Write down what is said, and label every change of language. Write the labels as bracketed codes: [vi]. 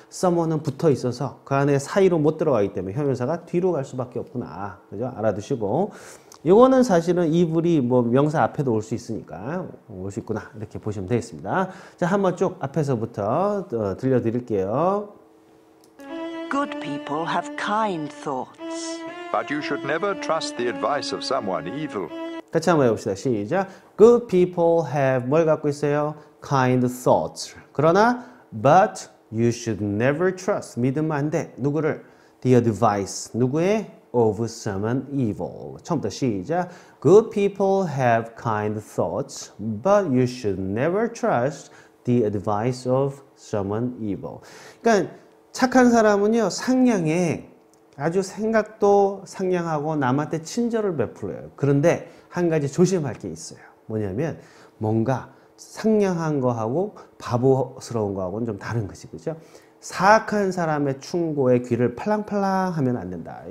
[ko] someone은 붙어 있어서 그 안에 사이로 못 들어가기 때문에 형용사가 뒤로 갈 수밖에 없구나. 그죠? 알아두시고 요거는 사실은 evil이 뭐 명사 앞에도 올 수 있으니까 올 수 있구나 이렇게 보시면 되겠습니다. 자, 한번 쭉 앞에서부터 들려드릴게요. [en] Good people have kind thoughts. But you should never trust the advice of someone evil. [ko] 같이 한번 해봅시다. 시작. [en] Good people have [ko] 뭘 갖고 있어요? [en] Kind thoughts. [ko] 그러나 [en] but you should never trust. [ko] 믿으면 안 돼. 누구를? [en] The advice. [ko] 누구의? [en] Of someone evil. [ko] 처음부터 시작. [en] Good people have kind thoughts, but you should never trust the advice of someone evil. [ko] 그러니까 착한 사람은요 상냥해. 아주 생각도 상냥하고 남한테 친절을 베풀어요. 그런데 한 가지 조심할 게 있어요. 뭐냐면 뭔가 상냥한 거하고 바보스러운 거하고는 좀 다른 것이 그죠? 사악한 사람의 충고에 귀를 팔랑팔랑 하면 안 된다.